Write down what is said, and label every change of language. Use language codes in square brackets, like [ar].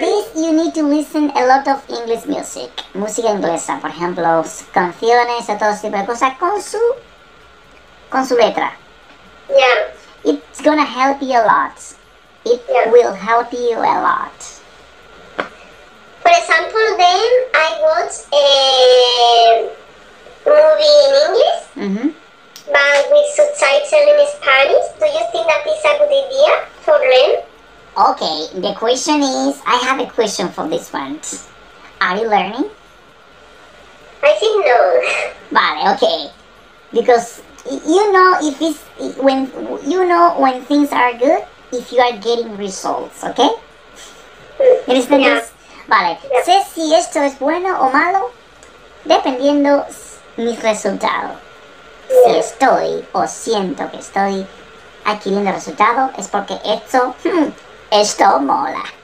[en] This, you need to listen a lot of English music. [es] Música inglesa, por ejemplo, canciones o todo tipo de cosas con su letra. Ya. Yeah. [en] It's gonna help you a lot. It yeah. will help you a lot. For example, then I watch a... movie in English, mm-hmm. but with subtitles in Spanish. Do you think that is a good idea for them? Okay, the question is, I have a question for this one. Are you learning? I think no. Vale, okay. Because you know if it's, when you know when things are good, if you are getting results, okay? Yeah. Vale, yeah. [es] Sé si esto es bueno o malo, dependiendo mi resultado. Yeah. Si estoy o siento que estoy adquiriendo resultado, es porque esto, esto mola.